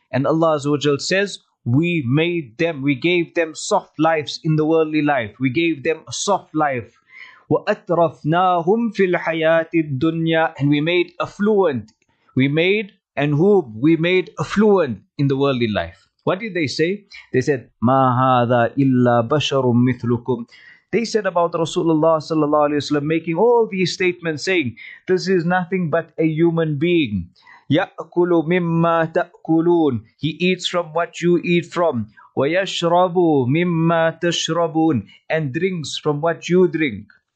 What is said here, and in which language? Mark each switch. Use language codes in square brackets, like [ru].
[en] And Allah Azza wa Jal says, we made them, we gave them soft lives in the worldly life. We gave them a soft life. [ar] وَأَتْرَفْنَاهُمْ فِي الْحَيَاةِ الدُّنْيَا. [en] And we made affluent. We made affluent in the worldly life. What did they say? They said, [ar] مَا هَذَا إِلَّا بَشَرٌ مِثْلُكُمْ. [en] They said about Rasulullah sallallahu alayhi wa sallam, making all these statements saying, this is nothing but a human being. [ar] يَأْكُلُ مِمَّا تَأْكُلُونَ. [en] He eats from what you eat from. [ar] وَيَشْرَبُ مِمَّا تَشْرَبُونَ. [en] And drinks from what you drink.